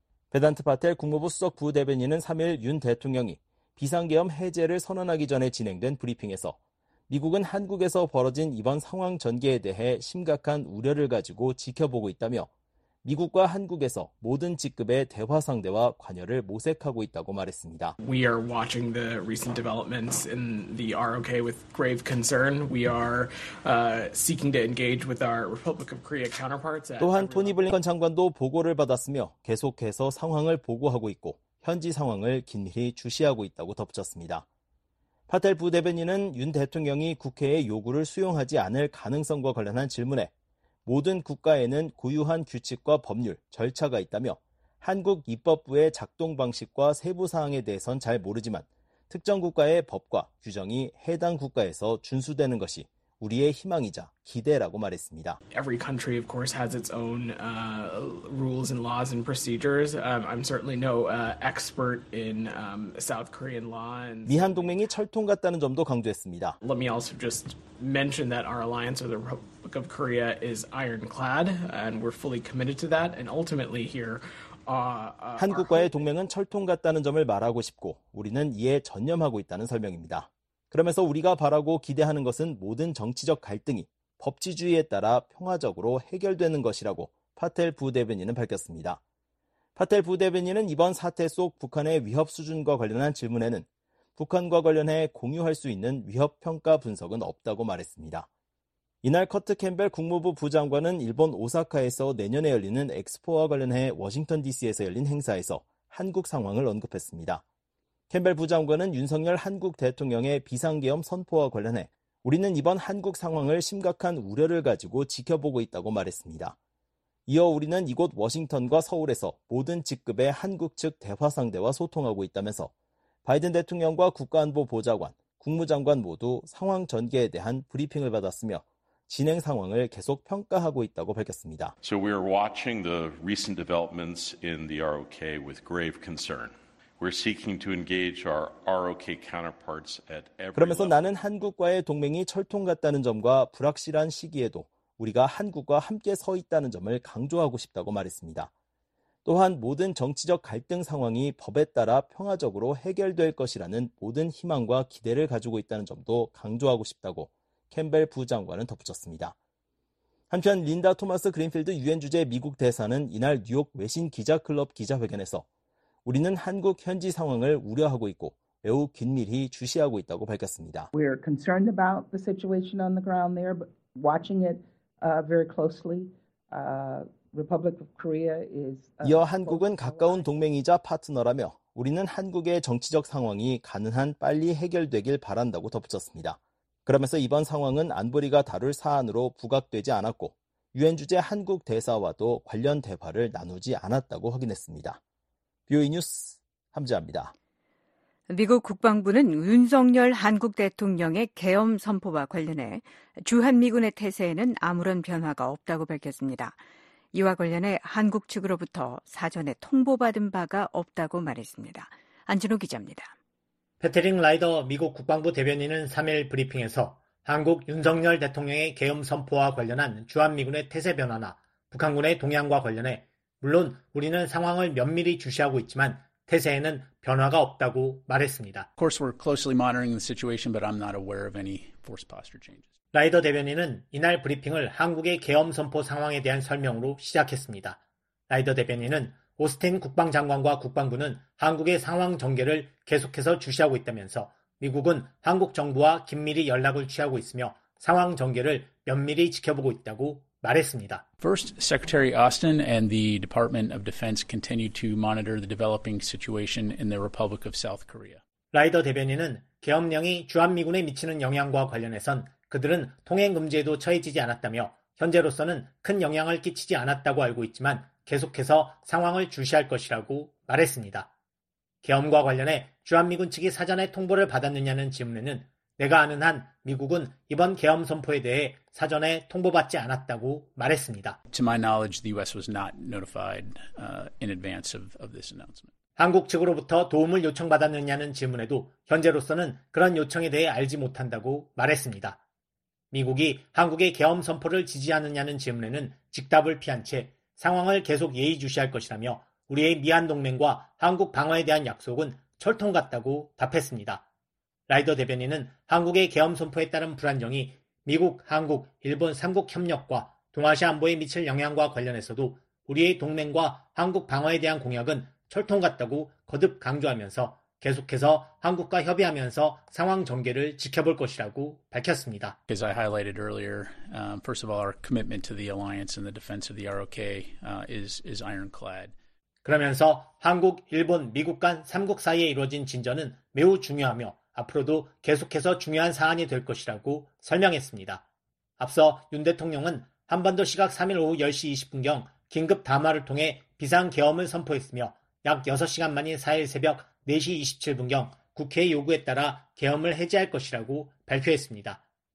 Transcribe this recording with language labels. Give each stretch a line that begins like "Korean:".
Korean: 베단트 파텔 국무부 수석 부대변인은 3일 윤 대통령이 비상계엄 해제를 선언하기 전에 진행된 브리핑에서 미국은 한국에서 벌어진 이번 상황 전개에 대해 심각한 우려를 가지고 지켜보고 있다며 미국과 한국에서 모든 직급의 대화 상대와 관여를 모색하고 있다고 말했습니다.
English: We are watching the recent developments in the ROK with grave concern. We are seeking to engage with our Republic of Korea counterparts.
Korean: 또한 토니 블링컨 장관도 보고를 받았으며 계속해서 상황을 보고하고 있고 현지 상황을 긴밀히 주시하고 있다고 덧붙였습니다. 파텔 부대변인은 윤 대통령이 국회의 요구를 수용하지 않을 가능성과 관련한 질문에 모든 국가에는 고유한 규칙과 법률, 절차가 있다며 한국 입법부의 작동 방식과 세부 사항에 대해선 잘 모르지만 특정 국가의 법과 규정이 해당 국가에서 준수되는 것이 우리의 희망이자 기대라고 말했습니다.
English: Every country of course has its own rules and laws and procedures. I'm certainly no expert in South Korean law.
Korean: 미한 동맹이 철통 같다는 점도 강조했습니다.
English: Let me also just mention that our alliance with the Republic of Korea is ironclad and we're fully committed to that and ultimately here
Korean: 한국과의 동맹은 철통 같다는 점을 말하고 싶고 우리는 이에 전념하고 있다는 설명입니다. 그러면서 우리가 바라고 기대하는 것은 모든 정치적 갈등이 법치주의에 따라 평화적으로 해결되는 것이라고 파텔 부대변인은 밝혔습니다. 파텔 부대변인은 이번 사태 속 북한의 위협 수준과 관련한 질문에는 북한과 관련해 공유할 수 있는 위협 평가 분석은 없다고 말했습니다. 이날 커트 캠벨 국무부 부장관은 일본 오사카에서 내년에 열리는 엑스포와 관련해 워싱턴 DC에서 열린 행사에서 한국 상황을 언급했습니다. 캠벨 부장관은 윤석열 한국 대통령의 비상계엄 선포와 관련해 우리는 이번 한국 상황을 심각한 우려를 가지고 지켜보고 있다고 말했습니다. 이어 우리는 이곳 워싱턴과 서울에서 모든 직급의 한국 측 대화 상대와 소통하고 있다면서 바이든 대통령과 국가안보보좌관, 국무장관 모두 상황 전개에 대한 브리핑을 받았으며 진행 상황을 계속 평가하고 있다고 밝혔습니다.
English: So we are watching the recent developments in the ROK with grave concern. We're seeking to engage our ROK counterparts at every
Korean: 그러면서 나는 한국과의 동맹이 철통 같다는 점과 불확실한 시기에도 우리가 한국과 함께 서 있다는 점을 강조하고 싶다고 말했습니다. 또한 모든 정치적 갈등 상황이 법에 따라 평화적으로 해결될 것이라는 모든 희망과 기대를 가지고 있다는 점도 강조하고 싶다고 캠벨 부장관은 덧붙였습니다. 한편 린다 토마스 그린필드 유엔 주재 미국 대사는 이날 뉴욕 외신 기자클럽 기자회견에서 우리는 한국 현지 상황을 우려하고 있고 매우 긴밀히 주시하고 있다고 밝혔습니다.
English: We are concerned about the situation on the ground there, but watching it very closely. Republic of Korea is
Korean: 이어 한국은 가까운 동맹이자 파트너라며 우리는 한국의 정치적 상황이 가능한 빨리 해결되길 바란다고 덧붙였습니다. 그러면서 이번 상황은 안보리가 다룰 사안으로 부각되지 않았고 유엔 주재 한국 대사와도 관련 대화를 나누지 않았다고 확인했습니다. BOE 뉴스 함지아입니다. 미국 국방부는 윤석열 한국 대통령의 계엄 선포와 관련해 주한미군의 태세에는 아무런 변화가 없다고 밝혔습니다. 이와 관련해 한국 측으로부터 사전에 통보받은 바가 없다고 말했습니다. 안진호 기자입니다. 패트릭 라이더 미국 국방부 대변인은 3일 브리핑에서 한국 윤석열 대통령의 계엄 선포와 관련한 주한미군의 태세 변화나 북한군의 동향과 관련해 물론 우리는 상황을 면밀히 주시하고 있지만 태세에는 변화가 없다고 말했습니다.
English: Of course, we're closely monitoring the situation, but I'm not aware of any force posture changes.
Korean: 라이더 대변인은 이날 브리핑을 한국의 계엄 선포 상황에 대한 설명으로 시작했습니다. 라이더 대변인은 오스틴 국방장관과 국방부는 한국의 상황 전개를 계속해서 주시하고 있다면서 미국은 한국 정부와 긴밀히 연락을 취하고 있으며 상황 전개를 면밀히 지켜보고 있다고 말했습니다.
English: First, Secretary Austin and the Department of Defense continue to monitor the developing situation in the Republic of South Korea.
Korean: 라이더 대변인은 계엄령이 주한미군에 미치는 영향과 관련해선 그들은 통행금지에도 처해지지 않았다며 현재로서는 큰 영향을 끼치지 않았다고 알고 있지만 계속해서 상황을 주시할 것이라고 말했습니다. 계엄과 관련해 주한미군 측이 사전에 통보를 받았느냐는 질문에는 내가 아는 한 미국은 이번 계엄 선포에 대해 사전에 통보받지 않았다고 말했습니다.
English: To my knowledge, the US was not notified in advance of this announcement.
Korean: 한국 측으로부터 도움을 요청받았느냐는 질문에도 현재로서는 그런 요청에 대해 알지 못한다고 말했습니다. 미국이 한국의 계엄 선포를 지지하느냐는 질문에는 직답을 피한 채 상황을 계속 예의주시할 것이라며 우리의 미한 동맹과 한국 방어에 대한 약속은 철통 같다고 답했습니다. 라이더 대변인은 한국의 계엄 선포에 따른 불안정이 미국, 한국, 일본 3국 협력과 동아시아 안보에 미칠 영향과 관련해서도 우리의 동맹과 한국 방어에 대한 공약은 철통 같다고 거듭 강조하면서 계속해서 한국과 협의하면서 상황 전개를 지켜볼 것이라고 밝혔습니다.
English: As I highlighted earlier, first of all, our commitment to the alliance and the defense of the ROK is ironclad.
Korean: 그러면서 한국, 일본, 미국 간 3국 사이에 이루어진 진전은 매우 중요하며 앞으로도 계속해서 중요한 사안이 될 것이라고 설명했습니다. 앞서 윤 대통령은 한반도 시각 3일 오후 10시 20분경 긴급 담화를 통해 비상 계엄을 선포했으며 약 6시간 만인 4일 새벽 4시 27분경 국회의 요구에 따라 계엄을 해제할 것이라고 발표했습니다.